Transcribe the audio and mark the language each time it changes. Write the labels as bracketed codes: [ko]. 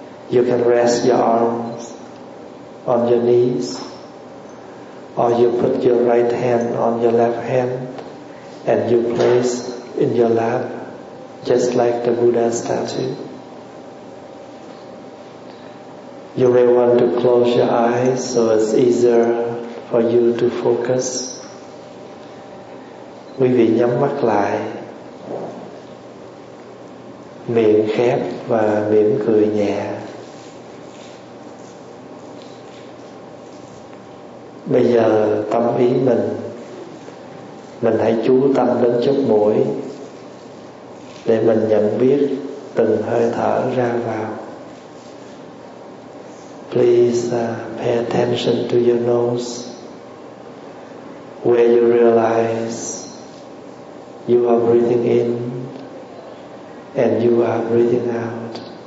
[en] You can rest your arms on your knees, or you put your right hand on your left hand and you place in your lap, just like the Buddha statue. You may want to close your eyes so it's easier for you to focus. [vi] Quý vị nhắm mắt lại, miệng khép và mỉm cười nhẹ. Bây giờ tâm ý mình hãy chú tâm đến chóp mũi để mình nhận biết từng hơi thở ra vào. [en] Please pay attention to your nose, where you realize you are breathing in and you are breathing out.